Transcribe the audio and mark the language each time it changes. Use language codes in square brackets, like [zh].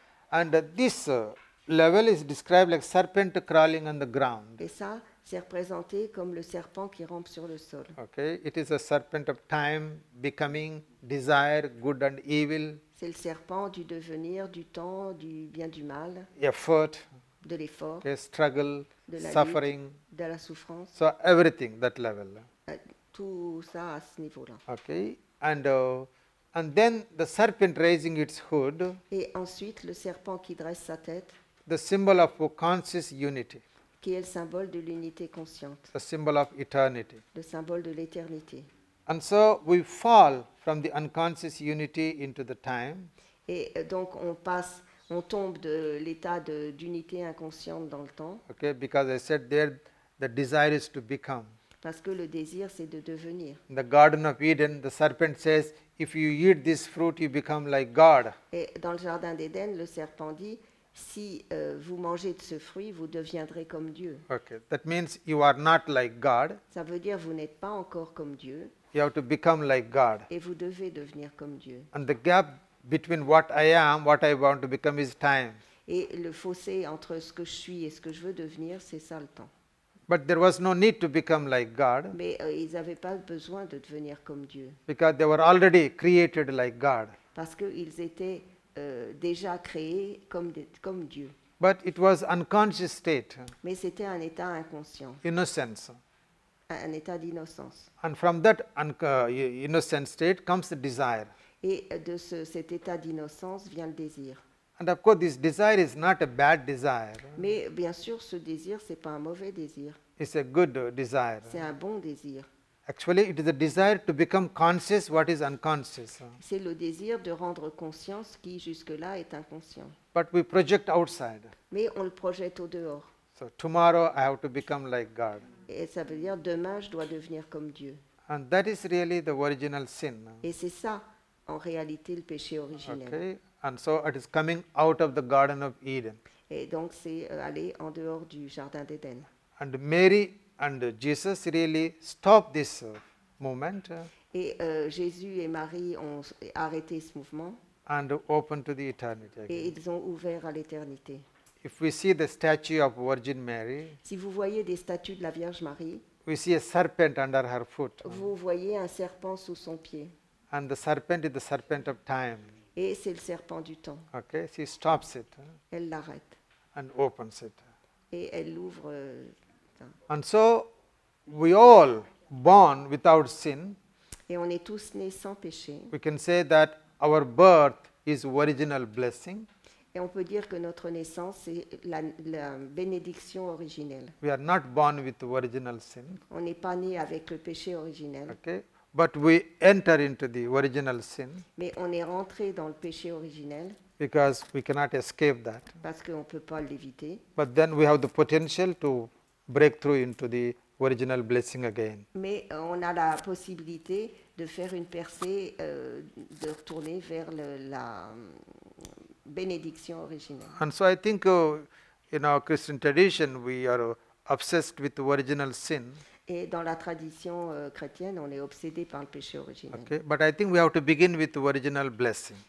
[en] And this level is described like serpent crawling on the ground. [fr] Et ça, c'est représenté comme le serpent qui rampe sur le sol. [en] Okay. It is a serpent of time, becoming, desire, good and evil. [fr] C'est le serpent du devenir, du temps, du bien, du mal. [en] Effort. [fr] De l'effort. [en] Okay. Struggle. [fr] De la [en] suffering. [fr] Lutte, de la souffrance. [en] So everything that level. [fr] Tout ça à ce niveau-là. [en] Okay, and then the serpent raising its hood. [fr] Et ensuite le serpent qui dresse sa tête. [en] The symbol of conscious unity. [fr] Qui est le symbole de l'unité consciente. [en] The symbol of eternity. [fr] Le symbole de l'éternité. [en] And so we fall from the unconscious unity into the time. [fr] Et donc on tombe de l'état d'unité inconsciente dans le temps. [en] Okay, because I said there the desire is to become. [fr] Parce que le désir, c'est de devenir. [en] In the Garden of Eden, the serpent says, "If you eat this fruit, you become like God." [fr] Et dans le jardin d'Éden, le serpent dit, si vous mangez de ce fruit, vous deviendrez comme Dieu. [en] Okay, that means you are not like God. [fr] Ça veut dire vous n'êtes pas encore comme Dieu. [en] You have to become like God. [fr] Et vous devez devenir comme Dieu. [en] And the gap between what I am, what I want to become, is time. [fr] Et le fossé entre ce que je suis et ce que je veux devenir, c'est ça le temps. [en] But there was no need to become like God. [fr] Mais ils n'avaient pas besoin de devenir comme Dieu. [en] Because they were already created like God. [fr] Parce qu'ils étaient déjà créés comme Dieu. [en] But it was unconscious state. [fr] Mais c'était un état inconscient. [en] Innocence. [fr] Un état d'innocence. [en] And from that innocent state comes the desire. [fr] Et de cet état d'innocence vient le désir. [en] And of course, this desire is not a bad desire. [fr] Mais bien sûr, ce désir, c'est pas un mauvais désir. [en] It's a good desire. [fr] C'est un bon désir. [en] Actually, it is a desire to become conscious what is unconscious. [fr] C'est le désir de rendre conscience qui jusque-là est inconscient. [en] But we project outside. [fr] Mais on le projette au dehors. [en] So tomorrow, I have to become like God. [fr] Et ça veut dire demain, je dois devenir comme Dieu. [en] And that is really the original sin. [fr] Et c'est ça, en réalité, le péché originel. [en] Okay. And so it is coming out of the Garden of Eden. [fr] Et donc c'est aller en dehors du jardin d'Éden. [en] And Mary and Jesus really stop this movement. [fr] Et Jésus et Marie ont arrêté ce mouvement. [en] And open to the eternity. [fr] Et ils ont ouvert à l'éternité. [en] If we see the statue of Virgin Mary. [fr] Si vous voyez des statues de la Vierge Marie. [en] We see a serpent under her foot. [fr] Vous voyez un serpent sous son pied. [en] And the serpent is the serpent of time. [fr] Et c'est le serpent du temps. [en] Okay, she stops it. [fr] Elle l'arrête. [en] And opens it. [fr] Et elle l'ouvre. [en] And so, we all born without sin. [fr] Et on est tous nés sans péché. [en] We can say that our birth is original blessing. [fr] Et on peut dire que notre naissance est la bénédiction originelle. [en] We are not born with original sin. [fr] On n'est pas né avec le péché originel. [en] Okay. But we enter into the original sin. [fr] Mais on est rentré dans le péché originel. [en] Because we cannot escape that. [fr] Parce qu'on peut pas l'éviter. [en] But then we have the potential to break through into the original blessing again. [fr] Mais on a la possibilité de faire une percée, de retourner vers la bénédiction originelle. [en] And so I think in our Christian tradition we are obsessed with original sin. [fr] Et dans la tradition chrétienne, on est obsédé par le péché originel. [en] Okay, but I think we have to begin with the original blessing.